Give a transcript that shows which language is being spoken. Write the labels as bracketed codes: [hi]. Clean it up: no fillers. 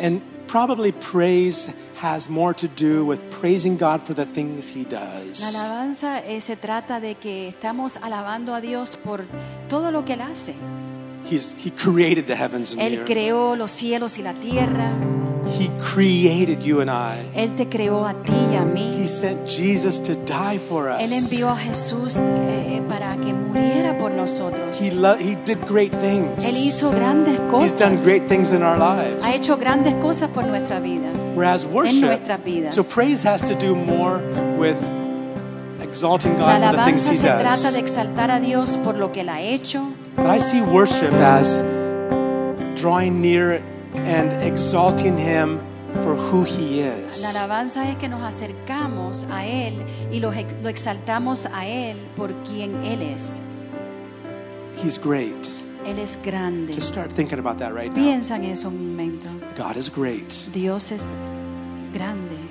[en] And probably praise has more to do with praising God for the things he does. [es] La alabanza se trata de que estamos alabando a Dios por todo lo que él hace. [en] He created the heavens and [es] él [en] the earth. [es] Creó los cielos y la tierra. [en] He created you and I. [es] Él te creó a ti y a mí. [en] He sent Jesus to die for us. [es] Él envió a Jesús para que muriera por nosotros. [en] He did great things. [es] Él hizo grandes cosas. [en] He's done great things in our lives. [es] Ha hecho grandes cosas por nuestra vida. [en] Whereas worship, [es] en nuestras vidas. [en] So praise has to do more with exalting God for the things he does. [es] La alabanza se trata de exaltar a Dios por lo que él ha hecho. [en] But I see worship as drawing near and exalting him for who he is. [es] La alabanza es que nos acercamos a él y lo exaltamos a él por quien él es. [en] He's great. [es] Él es grande. [en] Just start thinking about that right [es] Piensa [en] now. [es] En eso un momento. [en] God is great. [es] Dios es grande.